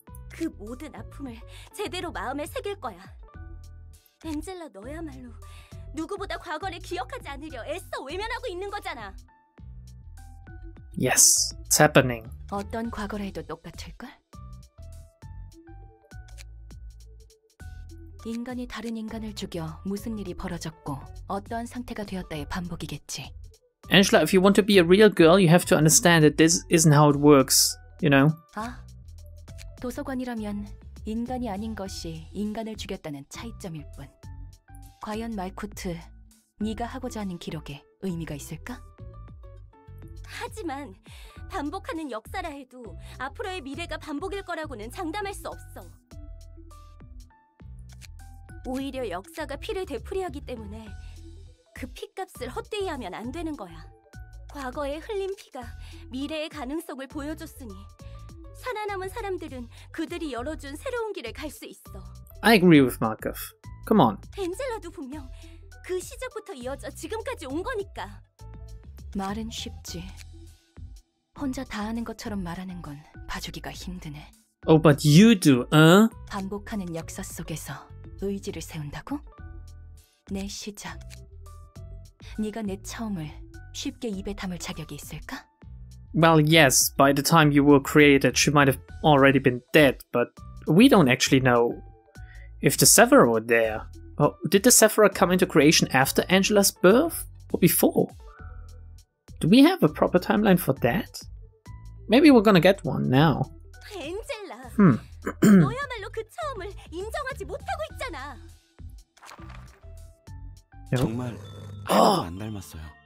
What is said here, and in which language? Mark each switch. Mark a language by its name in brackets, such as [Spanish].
[Korean] 그 모든 아픔을 제대로 마음에 새길 거야. 엔젤라 너야말로 누구보다 과거를 기억하지 않으려 애써 외면하고 있는 거잖아. [English] Yes, it's happening. [Korean] 어떤 과거라 해도 똑같을걸? 인간이 다른 인간을 죽여 무슨 일이 벌어졌고 어떠한 상태가 되었다의 반복이겠지. [English] Angela, if you want to be a real girl, you have to understand that this isn't how it works, you know? [Korean] 아, 도서관이라면 인간이 아닌 것이 인간을 죽였다는 차이점일 뿐. 과연 말코트, 네가 하고자 하는 기록에 의미가 있을까? 하지만 반복하는 역사라 해도 앞으로의 미래가 반복일 거라고는 장담할 수 없어. 오히려 역사가 피를 되풀이하기 때문에 그 피값을 헛되이 하면 안 되는 거야. 과거에 흘린 피가 미래의 가능성을 보여줬으니 살아남은 사람들은 그들이 열어준 새로운 길에 갈 수 있어. [English] I agree with Malkuth. Come on. [Korean] 엔젤라도 분명 그 시작부터 이어져 지금까지 온 거니까. 말은 쉽지. 혼자 다 하는 것처럼 말하는 건 봐주기가 힘드네. [English] Oh, but you do, huh? [Korean] 반복하는 역사 속에서 의지를 세운다고? 내 시작. 네가 내 처음을 쉽게 입에 담을 자격이 있을까? [English] Well, yes. By the time you were created, she might have already been dead. But we don't actually know if the Severa were there. Well, did the Severa come into creation after Angela's birth or before? Do we have a proper timeline for that? Maybe we're gonna get one now. Angela. Hmm. [Korean] 너야말로 그 처음을 인정하지 못하고 있잖아. 정말 하나도 안 닮았어요.